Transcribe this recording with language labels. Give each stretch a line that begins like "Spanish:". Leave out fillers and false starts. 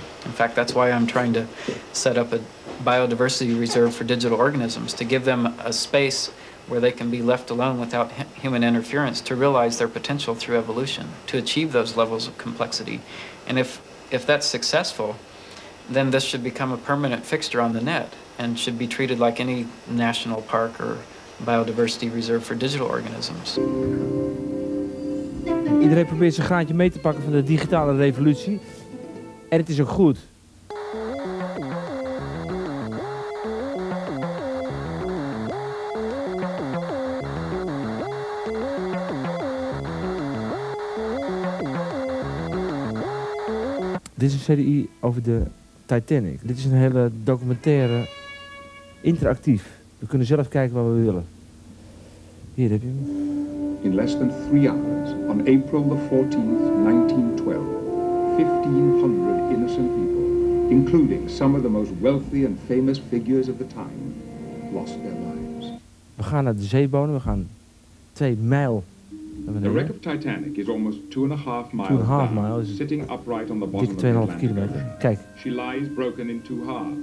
English: In fact, that's why I'm trying to set up a biodiversity reserve for digital organisms, to give them a space where they can be left alone without human interference to realize their potential through evolution, to achieve those levels of complexity. And if that's successful, then this should become a permanent fixture on the net and should be treated like any national park or biodiversity reserve for digital organisms.
Dutch: Iedereen probeert zijn graantje mee te pakken van de digitale revolutie. En het is ook goed. Dit is een serie over de Titanic. Dit is een hele documentaire, interactief. We kunnen zelf kijken wat we willen. Hier heb je hem.
English: In less than 3 hours, on April the 14th, 1912, 1,500 innocent people, including some of the most wealthy and famous figures of the time, lost their lives.
Dutch: We gaan naar de zeebodem. We gaan 2 mijl.
English: The wreck of Titanic is almost 2.5 miles. 2.5 miles. Sitting upright on the bottom of the Atlantic.
Dutch: 2.5 kilometer. Kijk.
English: She lies broken in 2 halves.